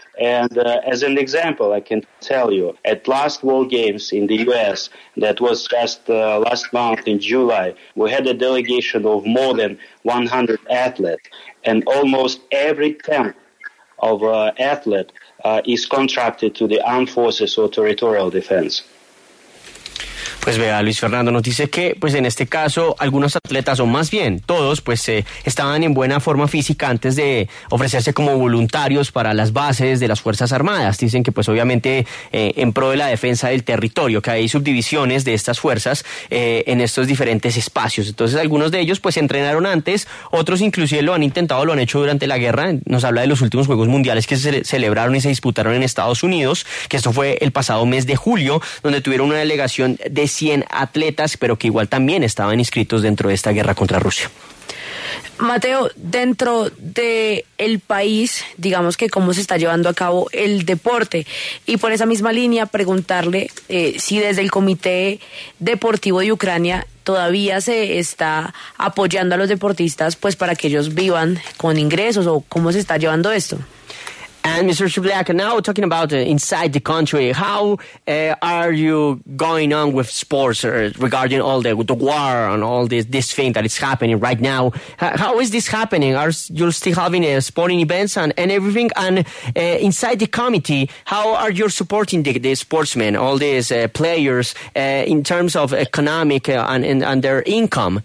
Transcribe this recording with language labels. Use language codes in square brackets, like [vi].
[en] And as an example, I can tell you, at last World Games in the U.S., that was just last month in July, we had a delegation of more than 100 athletes, and almost every 10th of athlete is contracted to the armed forces or territorial defense. [es] Pues vea, Luis Fernando nos dice que, pues en este caso, algunos atletas, o más bien todos, pues estaban en buena forma física antes de ofrecerse como voluntarios para las bases de las Fuerzas Armadas. Dicen que, pues obviamente, en pro de la defensa del territorio, que hay subdivisiones de estas fuerzas en estos diferentes espacios. Entonces, algunos de ellos, pues entrenaron antes, otros inclusive lo han intentado, lo han hecho durante la guerra. Nos habla de los últimos Juegos Mundiales que se celebraron y se disputaron en Estados Unidos, que esto fue el pasado mes de julio, donde tuvieron una delegación de 100 atletas, pero que igual también estaban inscritos dentro de esta guerra contra Rusia. Mateo, dentro de el país, digamos que cómo se está llevando a cabo el deporte, y por esa misma línea preguntarle si desde el Comité Deportivo de Ucrania todavía se está apoyando a los deportistas, pues para que ellos vivan con ingresos, o cómo se está llevando esto. [en] And Mr. Shublyak, now talking about inside the country, how are you going on with sports regarding all the war and all this thing that is happening right now? How is this happening? Are you still having sporting events and everything? And inside the committee, how are you supporting the sportsmen, all these players, in terms of economic and their income?